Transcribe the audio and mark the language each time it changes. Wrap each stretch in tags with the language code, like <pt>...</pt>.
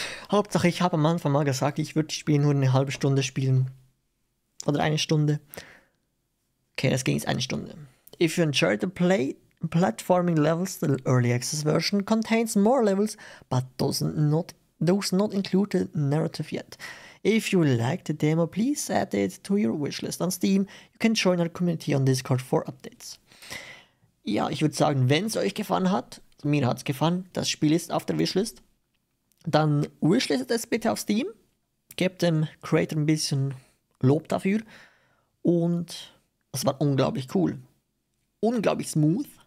<de>Hauptsache, ich habe am Anfang mal gesagt, ich würde das Spiel nur eine halbe Stunde spielen. Oder eine Stunde. Okay, das ging jetzt eine Stunde.</de> <en>If you enjoyed the platforming levels, the early access version contains more levels, but those not included narrative yet. If you like the demo, please add it to your wishlist on Steam. You can join our community on Discord for updates.</en> <de>Ja, ich würde sagen, wenn es euch gefallen hat, mir hat es gefallen, das Spiel ist auf der Wishlist, dann wishlistet es bitte auf Steam. Gebt dem Creator ein bisschen Lob dafür. Und es war unglaublich cool. Unglaublich smooth.</de>